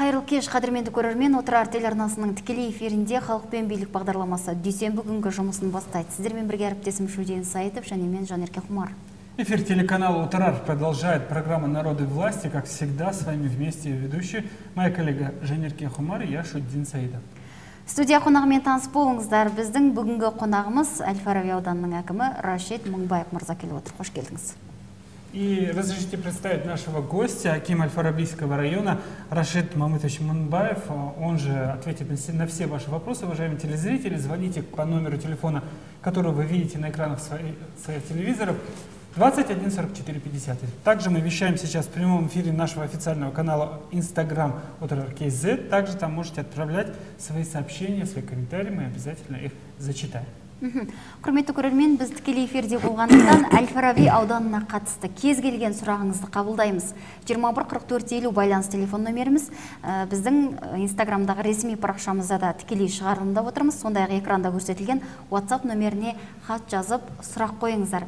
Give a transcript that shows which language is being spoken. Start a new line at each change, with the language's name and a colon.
Kazakh: Кеш қадірменді көрермен, Отырар телеарнасының тікелей эфирінде халықпен бейлік бағдарламасы дүйсен бүгінгі жұмысын бастайды. Сіздермен бірге әріптесім Шудин Саитов және мен Жанерке Хумар.
Russian: Эфир телеканала «Отырар» продолжает программа «Народы власти». Как всегда, с вами вместе ведущий моя коллега Жанерке Хумар и я Шудин Саитов.
Kazakh: Студия қонағымен танысып болыңыздар. Біздің бүгінгі қонағымыз Әл-Фараби ауданының әкімі Рашид Мыңбаев мырза келіп отыр. Қош келдіңіз.
Russian: И разрешите представить нашего гостя, аким Аль-Фарабийского района, Рашид Мамытович Мыңбаев. Он же ответит на все ваши вопросы. Уважаемые телезрители, звоните по номеру телефона, который вы видите на экранах своих телевизоров, 21-44-50. Также мы вещаем сейчас в прямом эфире нашего официального канала Instagram Отырар.кз. Также там можете отправлять свои сообщения, свои комментарии, мы обязательно их зачитаем.
Kazakh: Құрметті көрермен, біз тікелей эфирде болғандықтан Әл-Фараби ауданына қатысты кез келген сұрағыңызды қабылдаймыз. 21-44-50 байланыс телефон номеріміз, біздің инстаграмдағы ресми парақшамызда да тікелей шығарылымда отырмыз. Сондай-ақ экранда көрсетілген WhatsApp номеріне хат жазып сұрақ қойыңыздар.